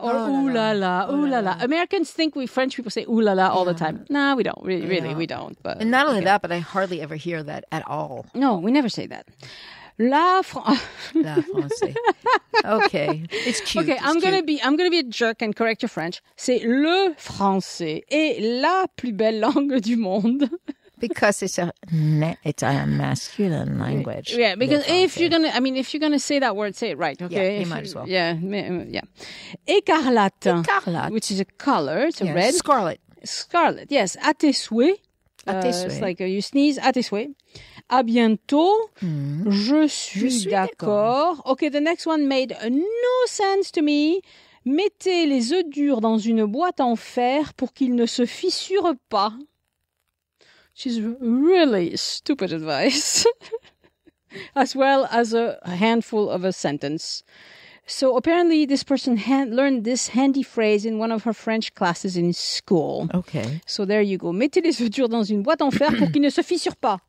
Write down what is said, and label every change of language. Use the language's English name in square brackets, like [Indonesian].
[English] Or oh, ooh la la. Ooh la la. Americans think we French people say ooh la la all the time. Nah, we don't. Really, yeah. We don't. But, and not only that, but I hardly ever hear that at all. No, we never say that. [French] La française. [English] Okay, it's cute. Okay, it's I'm gonna be a jerk and correct your French. [French] C'est le français et la plus belle langue du monde. [English] Because it's a masculine language. Yeah, because if you're gonna, I mean, if you're gonna say that word, say it right. Okay, yeah, you might as well. Yeah. Écarlate. [French] Écarlate, [English] which is a color, it's a red. Scarlet. Scarlet. Yes. [French] À tes souhaits. À tes souhaits. [English] It's like you sneeze. [French] À tes souhaits. À bientôt. Je suis d'accord. [English] Okay, the next one made no sense to me. [French] Mettez les œufs durs dans une boîte en fer pour qu'ils ne se fissurent pas. [English] She's really stupid advice. As well as a handful of a sentence. So apparently this person learned this handy phrase in one of her French classes in school. Okay. So there you go. [French] Mettez les œufs durs dans une boîte en fer pour qu'ils ne se fissurent pas.